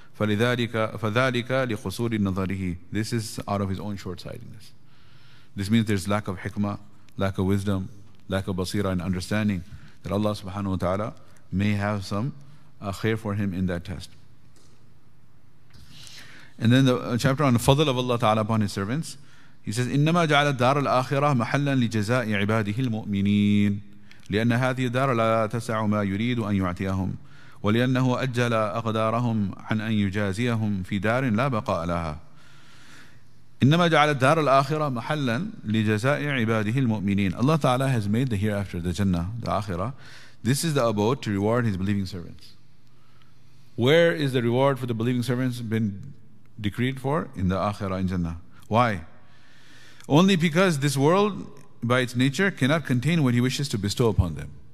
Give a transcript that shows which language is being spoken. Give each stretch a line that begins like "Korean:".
Arabic: فَذَلِكَ لِقُصُورِ نَظَرِهِ.
English: This is out of his own short-sightedness. This means there's lack of hikmah, lack of wisdom, lack of basira and understanding that Allah subhanahu wa ta'ala may have some khair for him in that test. And then the chapter on the fadl of Allah ta'ala upon his servants, he says,
Arabic: إِنَّمَا جَعَلَ الدَّارَ الْآخِرَةَ مَحَلًا لِجَزَاءِ عِبَادِهِ الْمُؤْمِنِينَ لِأَنَّ هَذِهِ الدَّارَ لَا تَسَعُ مَا يُرِيدُ أَنْ يُعْتِيَهُمْ وَلِأَنَّهُ أَجَّلَ أَقْدَارَهُمْ عَنْ أَنْ يُجَازِيَهُمْ فِي دَارٍ لَا بَقَاءَ لَهَا. إِنَّمَا جَعَلَ الدَّارَ الْآخِرَةَ مَحَلًا لِجَزَاءِ عِبَادِهِ الْمُؤْمِنِينَ.
English: Allah ta'ala has made the hereafter, the Jannah, the Akhirah, this is the abode to reward his believing servants. Where is the reward for the believing servants been decreed for? In the Akhirah, in Jannah. Why? Only because this world, by its nature, cannot contain what he wishes to bestow upon them.